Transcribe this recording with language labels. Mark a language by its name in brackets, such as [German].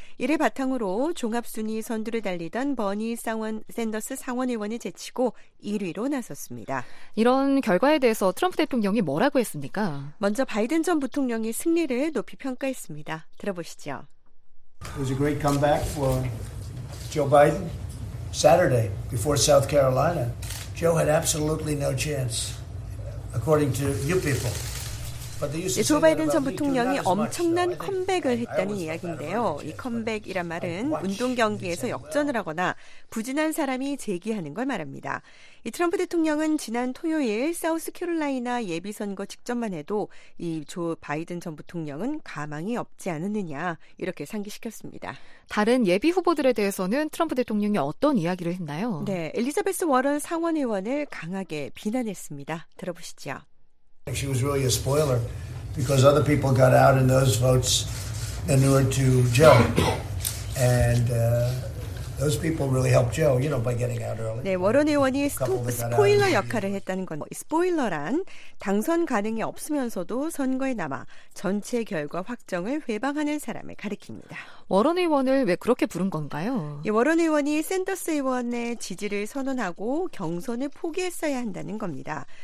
[Korean] 이를 바탕으로 종합순위 선두를 달리던 버니 샌더스 상원의원을 제치고 1위로 나섰습니다. 이런 결과에 대해서 트럼프 대통령이 뭐라고 했습니까? 먼저 바이든 전 부통령이 승리를 높이 평가했습니다. 들어보시죠. [English] It was a great comeback for Joe Biden. Saturday before South Carolina, Joe had absolutely no chance, according to you people. [Korean] 조 바이든 전 부통령이 엄청난 컴백을 했다는 이야기인데요. 이 컴백이란 말은 운동 경기에서 역전을 하거나 부진한 사람이 재기하는 걸 말합니다. 이 트럼프 대통령은 지난 토요일 사우스캐롤라이나 예비선거 직전만 해도 이 조 바이든 전 부통령은 가망이 없지 않느냐 이렇게 상기시켰습니다. 다른 예비 후보들에 대해서는 트럼프 대통령이 어떤 이야기를 했나요? 네, 엘리자베스 워런 상원의원을 강하게 비난했습니다. 들어보시죠. [English] She was really a spoiler because other people got out in those votes and they were to Joe. And those people really helped Joe, you know, by getting out early. [Korean] 네, 워런 의원이 스포일러 역할을 했다는 건 스포일러란 당선 가능이 없으면서도 선거에 남아 전체 결과 확정을 회방하는 사람을 가리킵니다. 워런 의원을 왜 그렇게 부른 건가요? 예, 워런 의원이 샌더스 의원의 지지를 선언하고 경선을 포기했어야 한다는 겁니다.